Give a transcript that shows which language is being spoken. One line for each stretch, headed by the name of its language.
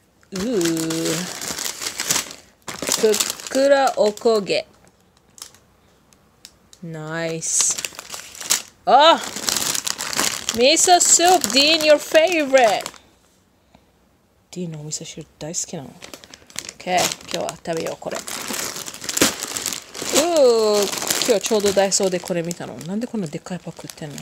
Japanese: うー、ふっくらおこげ、ナイス。
English: Oh, miso soup, Dean, your favorite.
Japanese: Dean の味噌汁大好きなの。Okay, 今日は食べようこれ。Ooh, 今日ちょうどダイソーでこれ見たの。なんでこんなでっかいパック売ってんの。